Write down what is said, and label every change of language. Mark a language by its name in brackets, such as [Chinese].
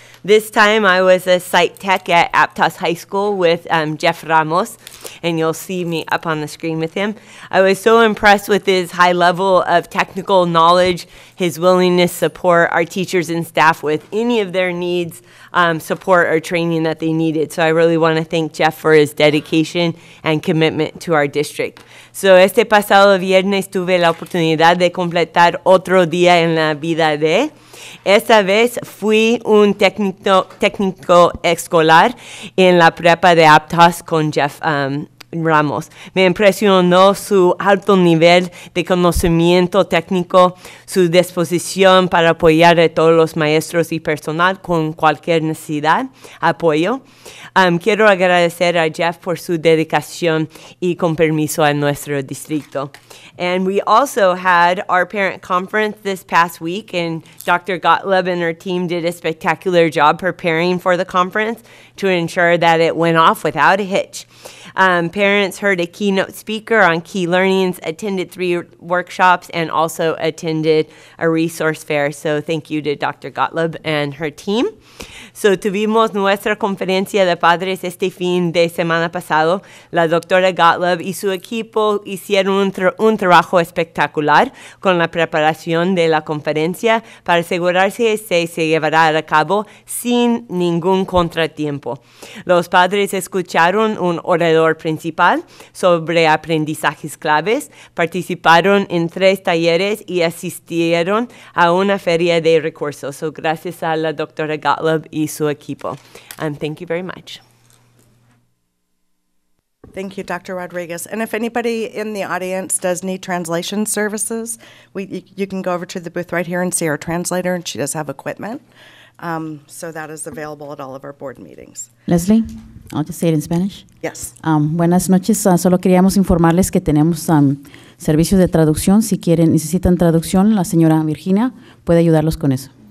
[English] This time, I was a site tech at Aptos High School with Jeff Ramos, and you'll see me up on the screen with him. I was so impressed with his high level of technical knowledge, his willingness to support our teachers and staff with any of their needs, support, or training that they needed. So I really want to thank Jeff for his dedication and commitment to our district. [Spanish] So este pasado viernes tuve la oportunidad de completar otro día en la vida de. Esta vez fui un técnico escolar en la prepa de Aptos con Jeff Ramos. Me impresionó su alto nivel de conocimiento técnico, su disposición para apoyar a todos los maestros y personal con cualquier necesidad, apoyo. Quiero agradecer a Jeff por su dedicación y compromiso a nuestro distrito. [English] And we also had our parent conference this past week, and Dr. Gottlieb and her team did a spectacular job preparing for the conference to ensure that it went off without a hitch. Parents heard a keynote speaker on key learnings, attended three workshops, and also attended a resource fair. So thank you to Dr. Gottlieb and her team. [Spanish] So tuvimos nuestra conferencia de padres este fin de semana pasado. La doctora Gottlieb y su equipo hicieron un trabajo espectacular con la preparación de la conferencia para asegurarse que se llevará a cabo sin ningún contratiempo. Los padres escucharon un orador principal sobre aprendizajes claves, participaron en tres talleres y asistieron a una feria de recursos. So gracias a la doctora Gottlieb y su equipo. [English] And thank you very much. Thank you, Dr. Rodriguez. And if anybody in the audience does need translation services, you can go over to the booth right here and see our translator, and she does have equipment. So that is available at all of our board meetings. Leslie, I'll just say it in Spanish. Yes. [Spanish] Buenas noches. Solo queríamos informarles que tenemos servicios de traducción. Si quieren, necesitan traducción, la señora Virginia puede ayudarlos con eso.